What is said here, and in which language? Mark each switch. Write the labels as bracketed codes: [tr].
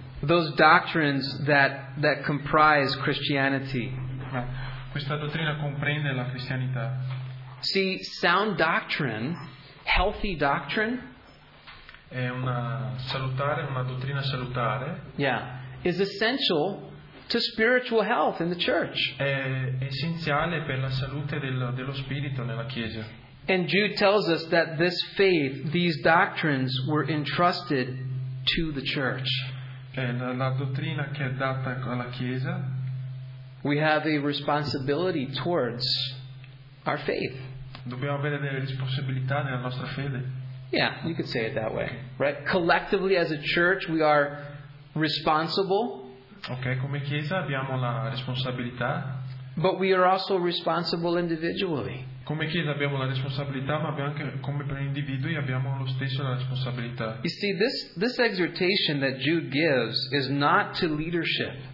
[en] Those doctrines that comprise Christianity. [it] Questa dottrina comprende la cristianità. [en] See, sound doctrine, healthy doctrine. [it] È una dottrina salutare. [en] Yeah, is essential to spiritual health in the church. [it] È essenziale per la salute dello spirito nella chiesa. [en] And Jude tells us that this faith, these doctrines were entrusted to the church. [it] La dottrina che è data alla chiesa. [en] We have a responsibility towards our faith. [it] Dobbiamo avere delle responsabilità nella nostra fede. [en] Yeah, you could say it that way. Okay. Right? Collectively as a church we are responsible. [it] Ok, come chiesa abbiamo la responsabilità. [en] But we are also responsible individually. [it] Come chiesa abbiamo la responsabilità, ma abbiamo anche come per individui abbiamo lo stesso la responsabilità. [en] You see, this exhortation that Jude gives is not to leadership.